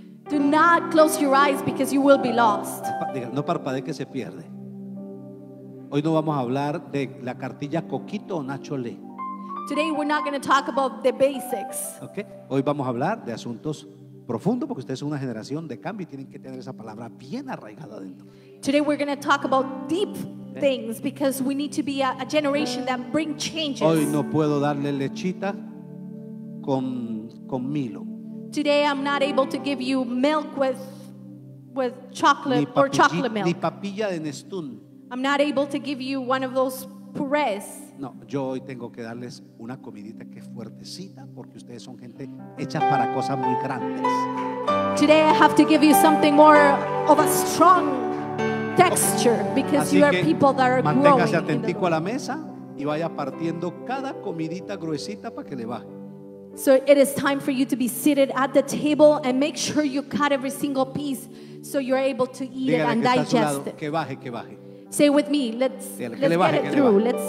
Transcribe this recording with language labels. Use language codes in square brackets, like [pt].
[en] Do not close your eyes because you will be lost. [es] No parpadee que se pierde. Hoy no vamos a hablar de la cartilla Coquito o Nacho Le. [en] Today we're not going to talk about the basics. Okay. [es] Hoy vamos a hablar de asuntos profundos porque ustedes son una generación de cambio y tienen que tener esa palabra bien arraigada dentro. [en] Today we're going to talk about deep things because we need to be a generation that bring changes. [es] Hoy no puedo darle lechita con Milo. [en] Today I'm not able to give you milk with chocolate [es] ni papilla, [en] or chocolate milk. [es] Ni papilla de Nestún. [en] I'm not able to give you one of those purés. [es] No, yo hoy tengo que darles una comidita que es fuertecita porque ustedes son gente hecha para cosas muy grandes. [en] Today I have to give you something more of a strong texture because [es] así [en] you are people that are [es] manténgase [en] growing. [es] Manténgase atentico a la mesa y vaya partiendo cada comidita gruesita para que le baje. [en] So it is time for you to be seated at the table and make sure you cut every single piece so you're able to eat [es] Dígale [en] it and digest it. [es] Que baje, que baje. [en] Say with me, let's get it through.